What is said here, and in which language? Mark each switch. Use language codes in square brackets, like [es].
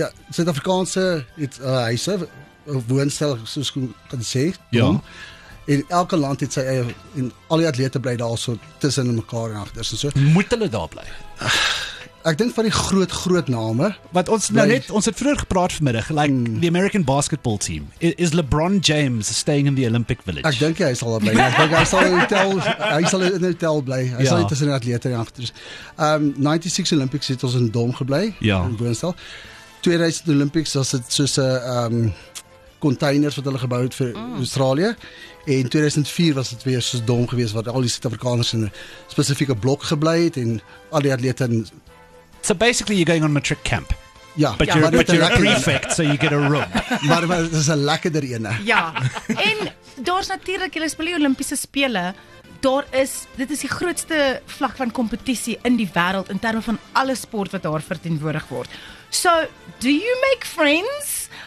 [af] Suid-Afrikaanse het 'n huise, woonstel soos ek kan sê. Ja. In elke land het sy eie, en al die atlete bly daar so tussen mekaar en agter en so. Moet hulle daar bly? Ek dink van die groot name. Wat ons nou net, ons het vroeger gepraat vanmiddag, [en] like the American basketball team. Is LeBron James staying in the Olympic Village? [af] Ek dink hy sal daar bly. Ek dink hy sal in die hotel bly. Hy sal tussen die atlete en agter. 96 Olympics het ons in Dom gebly, in woonstel. 2000 Olympics was dit soos 'n containers wat hulle gebou het vir Australië. En 2004 was dit weer soos dom geweest waar al die Suid-Afrikaners in 'n spesifieke blok gebly het en al die atlete in. [en] So basically you're going on matric camp. Yeah. But you're a prefect, so you get a room. [af] Maar dis 'n lekkerder ene. Ja. En daar's natuurlik hulle speel die Olimpiese spele. Daar is, dit is die grootste vlak van kompetisie in die wêreld in terme van alle sport wat daar verteenwoordig word. [en] So, do you make friends?